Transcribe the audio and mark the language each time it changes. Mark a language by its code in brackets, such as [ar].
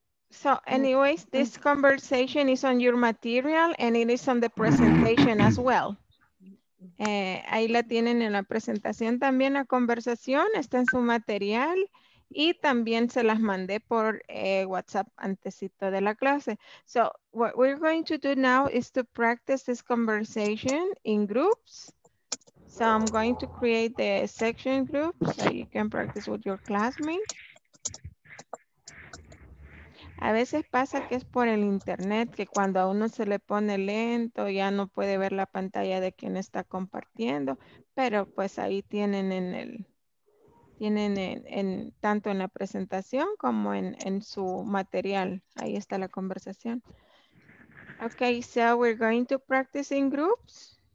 [en] So anyways, this conversation is on your material and it is on the presentation as well. [es] Ahí la tienen en la presentación también, la conversación está en su material y también se las mandé por WhatsApp antesito de la clase. [en] So what we're going to do now is to practice this conversation in groups. So I'm going to create the section group so you can practice with your classmates. [es] A veces pasa que es por el internet, que cuando a uno se le pone lento, ya no puede ver la pantalla de quien está compartiendo, pero pues ahí tienen tanto en la presentación como en su material. Ahí está la conversación. [en] Okay, so we're going to practice in groups.